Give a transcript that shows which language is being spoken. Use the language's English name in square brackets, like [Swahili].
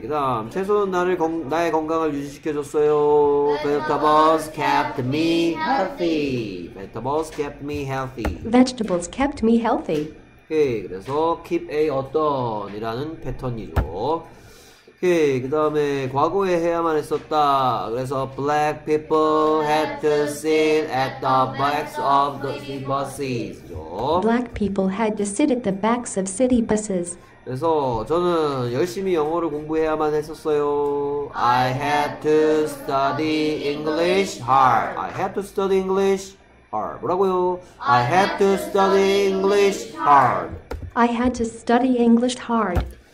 [Korean] 그 다음 채소는 나를 나의 건강을 유지시켜줬어요. [English] Vegetables kept me healthy. Vegetables kept me healthy. Vegetables kept me healthy. [Korean] 오케이. 그래서 keep a 어떤 이라는 패턴이죠. 오케이. 그 다음에 과거에 해야만 했었다. 그래서 [English] black people had to sit at the backs of the city buses. Black people had to sit at the backs of city buses. [Korean] 그래서 저는 열심히 영어를 공부해야만 했었어요. [English] I had to study English hard. I had to study English hard. [Korean] 뭐라고요? [English] I had to study English hard. I had to study English hard.